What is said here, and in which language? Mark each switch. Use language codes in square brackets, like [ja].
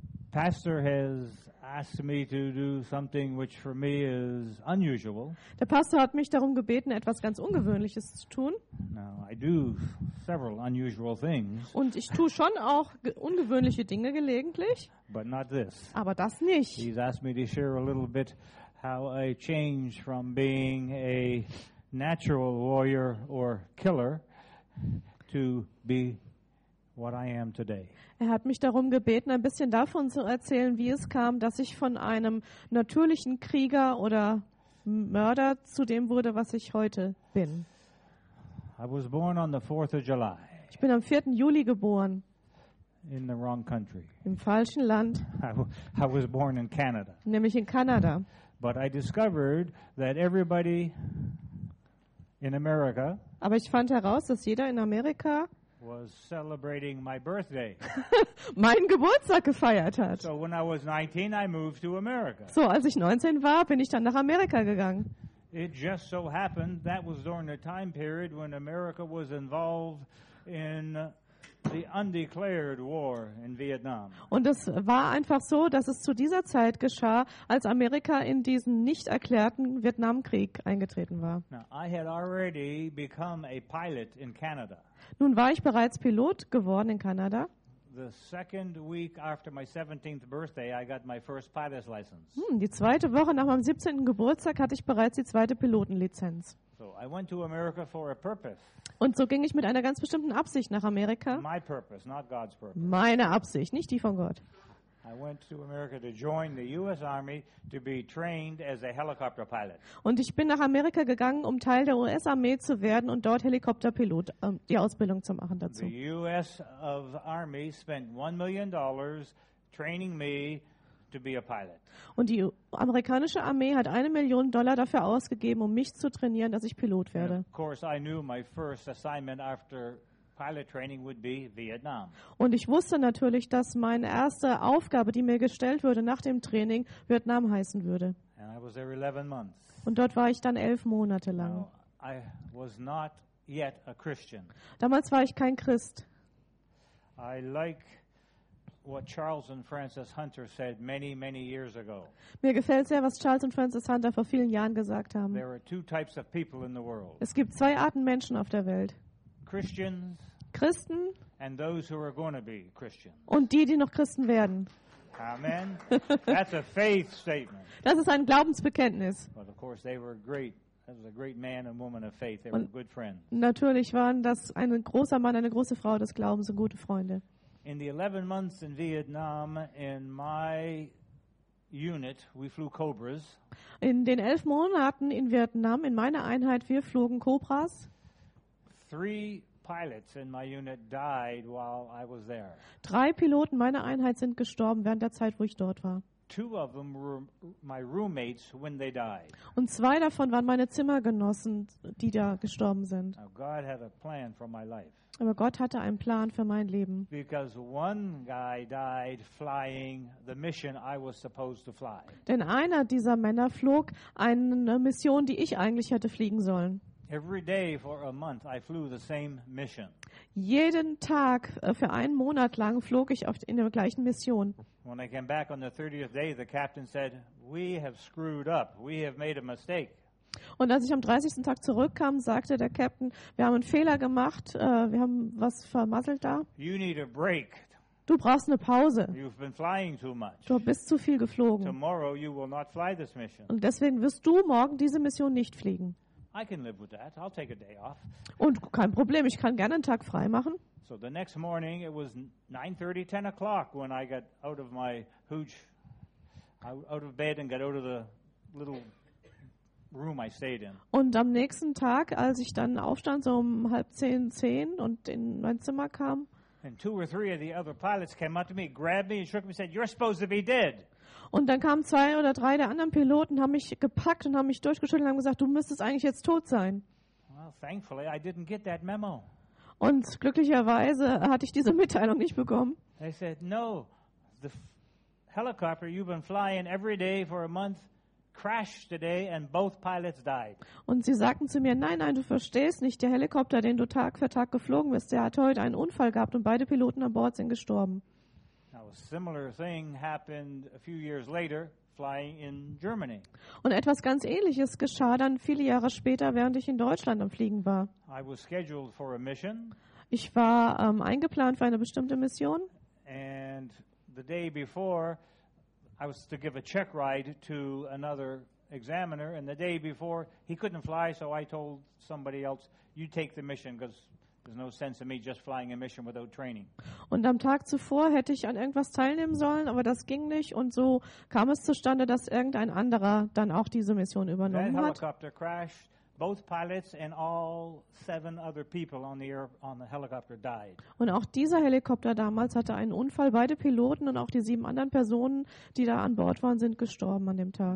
[en] Pastor has asked me to do something which for me is unusual. [de] Der Pastor hat mich darum gebeten, etwas ganz Ungewöhnliches zu tun. [en] Now, I do several unusual things. [de] Und ich tue schon auch ungewöhnliche Dinge gelegentlich. [en] But not this. [de] Aber das nicht. [en] He's asked me to share a little bit how I changed from being a natural warrior or killer to be what I am today. [de] Er hat mich darum gebeten, ein bisschen davon zu erzählen, wie es kam, dass ich von einem natürlichen Krieger oder Mörder zu dem wurde, was ich heute bin. [en] I was born on the 4th of July. [de] Ich bin am 4. Juli geboren. [en] In the wrong country. [de] Im falschen Land. [en] I was born in Canada. [de] Nämlich in Kanada. [en] But I discovered that everybody in America. [de] Aber ich fand heraus, dass jeder in Amerika [en] was celebrating my birthday. [de] Mein Geburtstag gefeiert hat. [en] So when I was 19, I moved to America. [de] So als ich 19 war, bin ich dann nach Amerika gegangen. [en] It just so happened that was during a time period when America was involved in the undeclared war in Vietnam. [de] Und es war einfach so, dass es zu dieser Zeit geschah, als Amerika in diesen nicht erklärten Vietnamkrieg eingetreten war. [en] Now, I had already become a pilot in Canada. [de] Nun war ich bereits Pilot geworden in Kanada. [en] The second week after my 17th birthday, I got my first pilot's license. [de] Die zweite Woche nach meinem 17. Geburtstag hatte ich bereits die zweite Pilotenlizenz. [en] So I went to America for a purpose. [de] Und so ging ich mit einer ganz bestimmten Absicht nach Amerika. [en] My purpose, not God's purpose. [de] Meine Absicht, nicht die von Gott. [en] I went to America to join the US Army to be trained as a helicopter pilot. [de] Und ich bin nach Amerika gegangen, um Teil der US-Armee zu werden und dort Helikopterpilot die Ausbildung zu machen dazu. [en] The US of Army spent $1 million training me to be a pilot. [de] Und die amerikanische Armee hat $1 million dafür ausgegeben, um mich zu trainieren, dass ich Pilot werde. [en] And of course I knew my first assignment after pilot training would be Vietnam. [de] Und ich wusste natürlich, dass meine erste Aufgabe, die mir gestellt wurde nach dem Training, Vietnam heißen würde. [en] And I was there 11 months. [de] Und dort war ich dann 11 Monate lang. [en] I was not yet a Christian. [de] Damals war ich kein Christ. [en] I like what Charles and Francis Hunter said many, many years ago. [de] Mir gefällt sehr, was Charles und Francis Hunter vor vielen Jahren gesagt haben. [en] There are two types of people in the world. [de] Es gibt zwei Arten Menschen auf der Welt. [en] Christians, [de] Christen, [en] and those who are going to be Christians. [de] Und die, die noch Christen werden. [en] Amen. That's a faith statement. [de] Das ist ein Glaubensbekenntnis. [en] But of course, they were great. That was a great man and woman of faith. They were good friends. [de] Natürlich waren das ein großer Mann, eine große Frau des Glaubens und gute Freunde. [en] In the 11 months in Vietnam, in my unit, we flew Cobras. [de] In den 11 Monaten in Vietnam, in meiner Einheit, wir flogen Cobras. [en] 3 pilots in my unit died while I was there. [de] 3 Piloten meiner Einheit sind gestorben während der Zeit, wo ich dort war. [en] two of them were my roommates when they died. [de] Und zwei davon waren meine Zimmergenossen, die da gestorben sind. [en] Now God had a plan for my life. [de] Aber Gott hatte einen Plan für mein Leben. [en] Because one guy died flying the mission I was supposed to fly. [de] Denn einer dieser Männer flog eine Mission, die ich eigentlich hätte fliegen sollen. [en] Every day for a month I flew the same mission. [de] Jeden Tag für einen Monat lang flog ich in der gleichen Mission. [en] When I came back on the 30th day, the captain said, "We have screwed up. We have made a mistake." [de] Und als ich am 30. Tag zurückkam, sagte der Captain, wir haben einen Fehler gemacht, wir haben was vermasselt da. [en] You need a break. [de] Du brauchst eine Pause. [en] You've been flying too much. [de] Du bist zu viel geflogen. [en] Tomorrow you will not fly this mission. [de] Und deswegen wirst du morgen diese Mission nicht fliegen. [en] I can live with that. I'll take a day off. [de] Und kein Problem, ich kann gerne einen Tag frei machen. [en] So the next morning it was 9:30, 10 o'clock when I got out of my hooch, out of bed and got out of the little room I stayed in. [de] Und am nächsten Tag, als ich dann aufstand, so um 9:30 und in mein Zimmer kam, [en] and two or three of the other pilots came up to me, grabbed me and shook me and said, "You're supposed to be dead." [de] Und dann kamen zwei oder drei der anderen Piloten, haben mich gepackt und haben mich durchgeschüttelt und haben gesagt, du müsstest eigentlich jetzt tot sein. [en] Well, thankfully I didn't get that memo. [de] Und glücklicherweise hatte ich diese Mitteilung nicht bekommen. [en] They said, "No, the helicopter you've been flying every day for a month crashed today and both pilots died." [de] Und sie sagten zu mir, nein, du verstehst nicht, der Helikopter, den du Tag für Tag geflogen bist, der hat heute einen Unfall gehabt und beide Piloten an Bord sind gestorben. [en] A similar thing happened a few years later, flying in Germany. [de] Und etwas ganz Ähnliches geschah dann viele Jahre später, während ich in Deutschland am Fliegen war. [en] I was scheduled for a mission. [de] Ich war eingeplant für eine bestimmte Mission. [en] And the day before, I was to give a check ride to another examiner. And the day before, he couldn't fly, so I told somebody else, "You take the mission, because there's no sense in me just flying a mission without training." [de] Und am Tag zuvor hätte ich an irgendwas teilnehmen sollen, aber das ging nicht und so kam es zustande, dass irgendein anderer dann auch diese Mission übernommen hat. [en] That helicopter crashed. Both pilots and all seven other people on the helicopter died. [de] Und auch dieser Helikopter damals hatte einen Unfall. Beide Piloten und auch die sieben anderen Personen, die da an Bord waren, sind gestorben an dem Tag.